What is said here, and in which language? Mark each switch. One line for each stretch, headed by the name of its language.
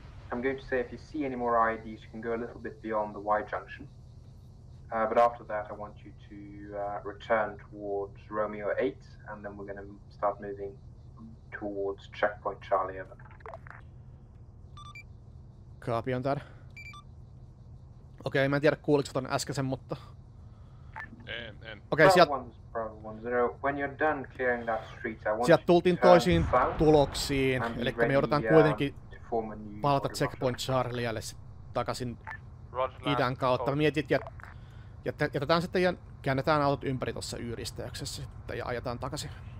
English: I'm going to say if you see any more IEDs, you can go a little bit beyond the Y junction. But after that, I want you to return towards Romeo 8, and then we're going to start moving towards Checkpoint Charlie 11. Copy on that.
Finnish: Okay, mä en tiedä kuuliko ton äskeisen, mutta... En. Okay, sieltä...
English: When you're done clearing that street, I want
Finnish: sieltä you tultiin toisiin tuloksiin, eli me joudutaan kuitenkin palata Checkpoint Charlielle takaisin idän kautta. Mä mietin, että... Jätetään sitten ja käännetään autot ympäri tuossa y-risteyksessä sitten ja ajetaan takaisin.